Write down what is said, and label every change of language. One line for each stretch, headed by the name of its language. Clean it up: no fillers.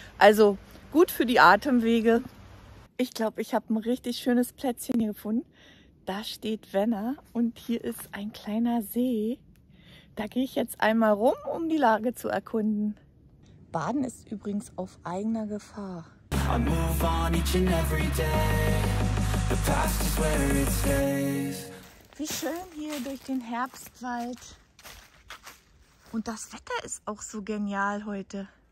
German: Also gut für die Atemwege. Ich glaube, ich habe ein richtig schönes Plätzchen hier gefunden. Da steht Werner und hier ist ein kleiner See. Da gehe ich jetzt einmal rum, um die Lage zu erkunden. Baden ist übrigens auf eigener Gefahr.
English: I move on each and every day. The past is where it stays.
German: Wie schön hier durch den Herbstwald. Und das Wetter ist auch so genial heute.